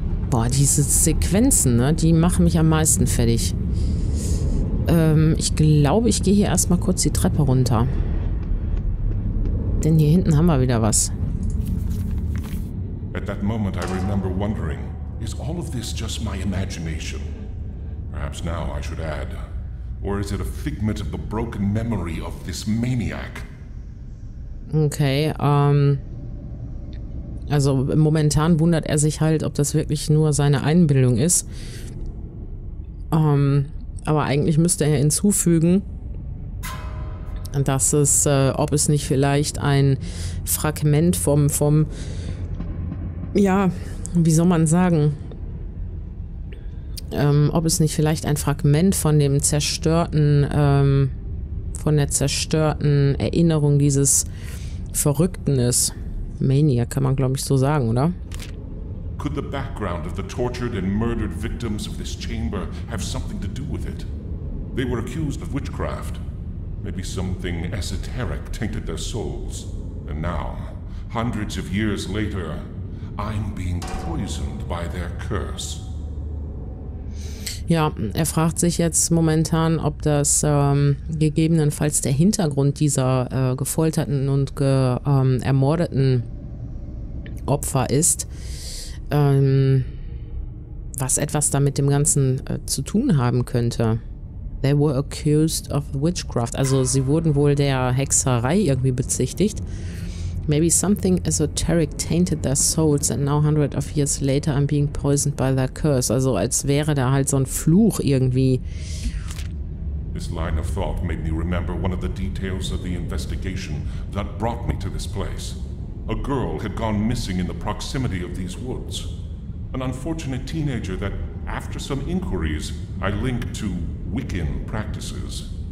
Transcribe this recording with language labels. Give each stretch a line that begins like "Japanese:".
German: Boah, diese Sequenzen, ne? Die machen mich am meisten fertig. Ich glaube, ich gehe hier erstmal kurz die Treppe runter. Denn hier hinten haben wir wieder was.
English: At that moment I remember wondering, is all of this just my imagination? Perhaps now I should add, or is it a figment of the broken memory of this maniac?
German: Okay, also momentan wundert er sich halt, ob das wirklich nur seine Einbildung ist. Aber eigentlich müsste er hinzufügen, dass es, ob es nicht vielleicht ein Fragment vom ja, wie soll man sagen, ob es nicht vielleicht ein Fragment von dem zerstörten, von der zerstörten Erinnerung dieses Verrückten ist. Mania kann man, glaube ich, so sagen, oder?
English: Could the background of the tortured and murdered victims of this chamber have something to do with it? They were accused of witchcraft. Maybe something esoteric tainted their souls. And now, hundreds of years later, I'm being poisoned by their curse.
German: Ja, er fragt sich jetzt momentan, ob das gegebenenfalls der Hintergrund dieser gefolterten und ermordeten Opfer ist, was etwas damit dem Ganzen zu tun haben könnte.
English: They were accused of witchcraft.
German: Also sie wurden wohl der Hexerei irgendwie bezichtigt.
English: Maybe something esoteric tainted their souls and now hundreds of years later I'm being poisoned by their curse.
German: Also als wäre da halt so ein Fluch irgendwie.
English: This line of thought made me remember one of the details of the investigation that brought me to this place. A girl had gone missing in the proximity of these woods. An unfortunate teenager that, after some inquiries, I linked to Wiccan practices.